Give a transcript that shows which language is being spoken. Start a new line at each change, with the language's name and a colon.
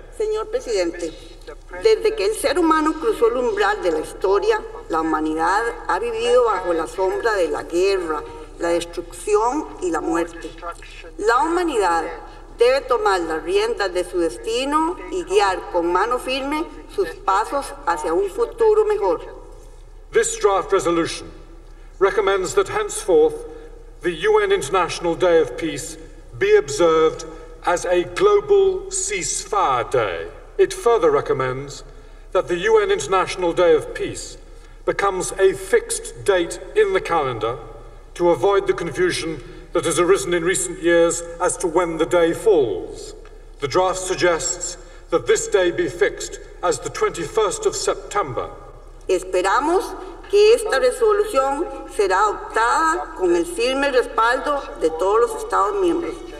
Spanish: Señor Presidente, desde que el ser humano cruzó el umbral de la historia, la humanidad ha vivido bajo la sombra de la guerra, la destrucción y la muerte. La humanidad debe tomar las riendas de su destino y guiar con mano firme sus pasos hacia un futuro mejor.
English: This draft resolution recommends that henceforth the UN International Day of Peace be observed as a global ceasefire day. It further recommends that the UN International Day of Peace becomes a fixed date in the calendar to avoid the confusion that has arisen in recent years as to when the day falls. The draft suggests that this day be fixed as the 21st of September.
Spanish: Esperamos que esta resolución será adoptada con el firme respaldo de todos los Estados miembros.